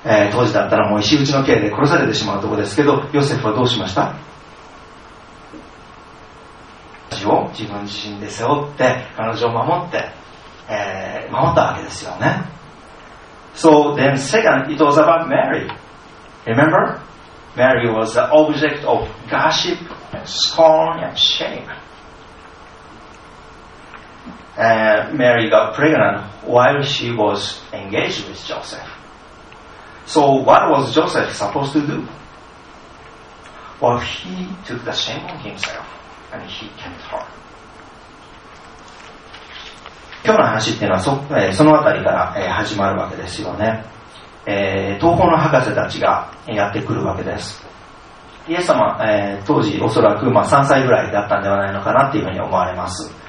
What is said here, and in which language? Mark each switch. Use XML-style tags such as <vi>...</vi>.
<ja>当時だったらもう石打ちの刑で殺されてしまうところですけど、ヨセフはどうしました。自分自身で背負って彼女を守って、守ったわけですよね。</ja> <en>So then second, it was about Mary. Remember? Mary was the object of gossip and scorn and shame. Mary got pregnant while she was engaged with Joseph. So what was Joseph supposed to do? Well, he took the shame on himselfAnd he kept her.</en> <ja>今日の話っていうのは そのあたりから始まるわけですよね。東方の博士たちがやってくるわけです。イエス様、当時おそらく、3歳ぐらいだったんではないのかなっていうふうに思われます。</ja>